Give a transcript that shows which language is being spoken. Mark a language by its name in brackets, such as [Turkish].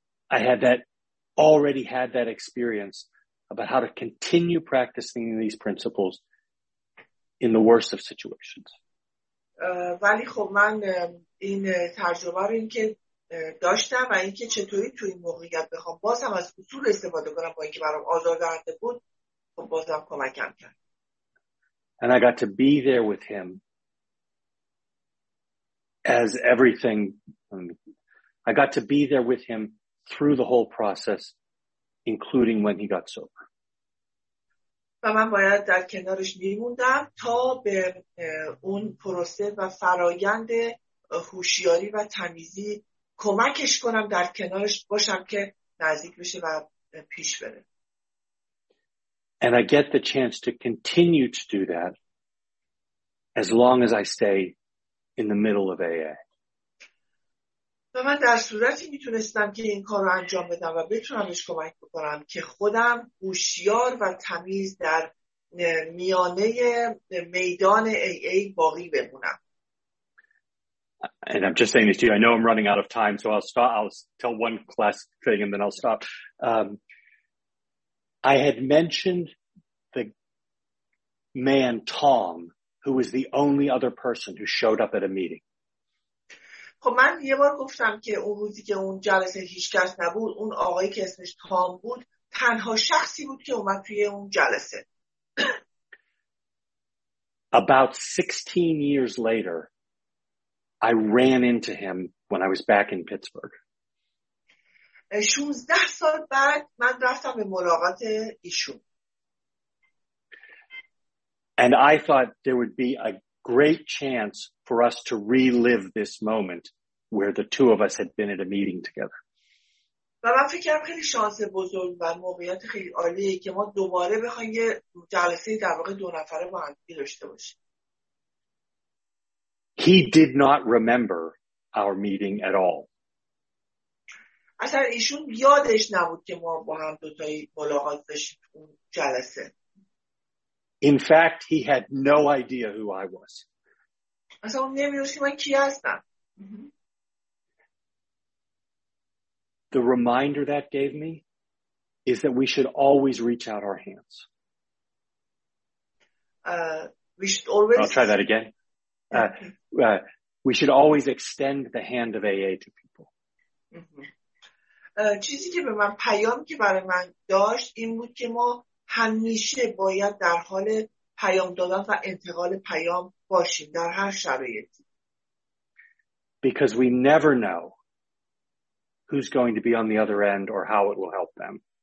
[English] I had that already had that experience about how to continue practicing these principles in the worst of situations. [Persian] ولی خب من این تجربه رو اینکه داشتم و اینکه چطوری تو این موقعیت بخوام بازم از اصول استفاده کنم با اینکه برام آزاردهنده بود خب بازم کمکم کرد. [English] And I got to be there with him as everything. I got to be there with him through the whole process, including when he got sober. [Persian] و من باید در کنارش میموندم تا به اون پروسه و فرایند هوشیاری و تمیزی کمکش کنم در کنارش باشم که نزدیک بشه و پیش بره. [English] And I get the chance to continue to do that as long as I stay in the middle of AA. [Persian] و من در صورتی میتونستم که این کار رو انجام بدم و بتونمش کمک بکنم که خودم هوشیار و تمیز در میانه میدان AA باقی بمونم. [English] And I'm just saying this to you. I know I'm running out of time, so I'll stop. I'll tell one last thing and then I'll stop. I had mentioned the man Tom, who was the only other person who showed up at a meeting. [Persian] خب من یه بار گفتم که اون روزی که اون جلسه هیچ کس نبود اون آقایی که اسمش تام بود تنها شخصی بود که اومد توی اون جلسه. [English] About 16 years later, I ran into him when I was back in Pittsburgh. [Persian] 16 سال بعد من رفتم به ملاقات ایشون. [English] And I thought there would be a great chance for us to relive this moment where the two of us had been at a meeting together. [Persian] و من فکر کردم خیلی شانس بزرگ و موقعیت خیلی عالیه که ما دوباره بخوایم یه جلسه در واقع دو نفره با هم داشته باشیم. [English] He did not remember our meeting at all. [Persian] اصلا ایشون یادش نبود که ما با هم دو تایی ملاقات داشتیم اون جلسه. [English] In fact, he had no idea who I was. [Persian] اصلا نمی‌دونست من کی هستم. [English] The reminder that gave me is that we should always reach out our hands. We should always. I'll try that again. We should always extend the hand of AA to people. [Persian] چیزی که به من پیام که برای من داشت این بود که ما همیشه باید در حال پیام دادن و انتقال پیام باشیم در هر شرایطی. [English] Because we never know who's going to be on the other end or how it will help them.